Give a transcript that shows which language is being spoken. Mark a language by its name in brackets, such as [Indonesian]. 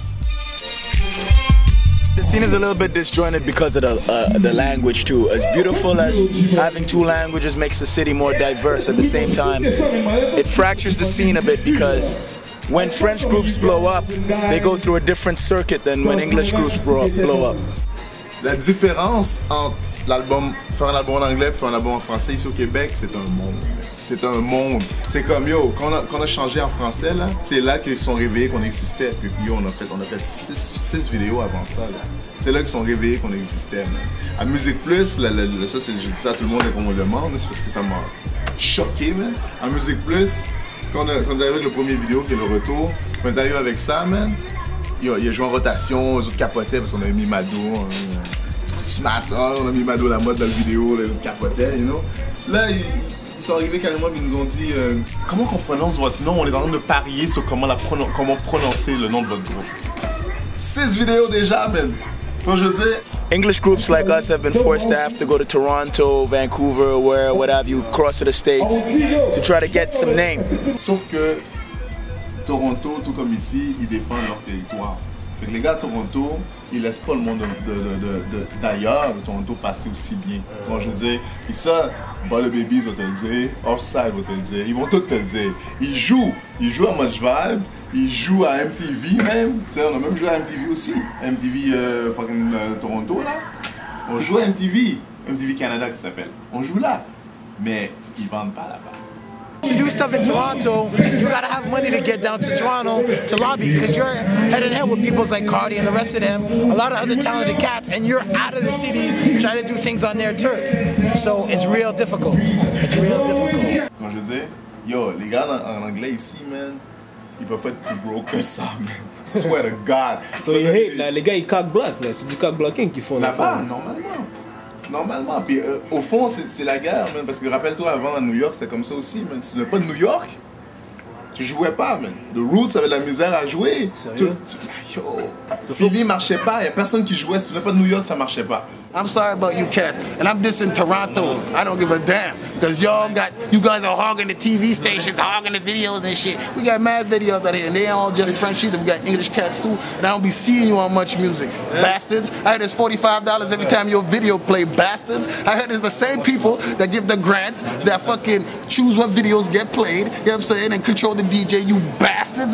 [English] The scene is a little bit disjointed because of the language too. As beautiful as having two languages makes the city more diverse at the same time, it fractures the scene a bit because when French groups blow up, they go through a different circuit than when English groups blow up. [French] La différence entre l'album, faire un album en anglais et faire un album en français ici au Québec, c'est un monde. c'est un monde. C'est comme, yo, quand on a changé en français, là, c'est là qu'ils sont réveillés qu'on existait. Puis, yo, on a fait six vidéos avant ça, là. C'est là qu'ils sont réveillés qu'on existait, man. À Musique Plus, là, ça, c'est, je dis ça à tout le monde et qu'on me le demande, c'est parce que ça m'a choqué, man. À Musique Plus, quand on arrive avec le premier vidéo, qui est le retour, quand on arrive avec ça, man, il a joué en rotation, les autres capotaient parce qu'on avait mis Mado. On a mis Mado la mode dans la vidéo, les autres capotaient, you know. Là, ils sont arrivés carrément et ils nous ont dit « Comment on prononce votre nom? » On est en train de parier sur comment prononcer le nom de votre groupe. Six vidéos déjà, man. Ça, je dis. [English] English groups like us have been forced to have to go to Toronto, Vancouver, where, what have you, cross to the States to try to get some name. [French] Sauf que Toronto, tout comme ici, ils défendent leur territoire. Fait que les gars à Toronto, ils laissent pas le monde de d'ailleurs de Toronto passer aussi bien. Tu vois, je veux dire, et ça, Baller Babies va te le dire, Offside va te le dire, ils vont tout te le dire. Ils jouent à Much Vibe, ils jouent à MTV même. Tu sais, on a même joué à MTV aussi. MTV Toronto là. On joue à MTV, MTV Canada qui s'appelle. On joue là, mais ils vendent pas là-bas. [English] To do stuff in Toronto, you gotta have money to get down to Toronto to lobby, because you're head in head with people like Cardi and the rest of them, a lot of other talented cats, and you're out of the city trying to do things on their turf. So it's real difficult. It's real difficult. [French] Quand je dis, yo, les gars en anglais ici, man, ils peuvent être plus broke que ça, man. [English] Swear to God. So you hate, [French] là, les gars, ils cock block, là. C'est du cock blocking qu'ils font. Là-bas, normalement. Normalement, puis au fond, c'est la guerre, man. Parce que rappelle-toi, avant, à New York, c'était comme ça aussi, man. Si tu n'es pas de New York, tu jouais pas, man. The Roots avait de la misère à jouer. Sérieux? Yo, Philly marchait pas, y'a personne qui jouait. Si tu n'es pas de New York, ça marchait pas. [English] I'm sorry about you cats, and I'm dissing Toronto. I don't give a damn, because you guys are hogging the TV stations, hogging the videos and shit. We got mad videos out here, and they all just Frenchies, and we got English cats too, and I don't be seeing you on Much Music, bastards. I heard it's $45 every time your video play, bastards. I heard it's the same people that give the grants, that fucking choose what videos get played, you know what I'm saying, and control the DJ, you bastards.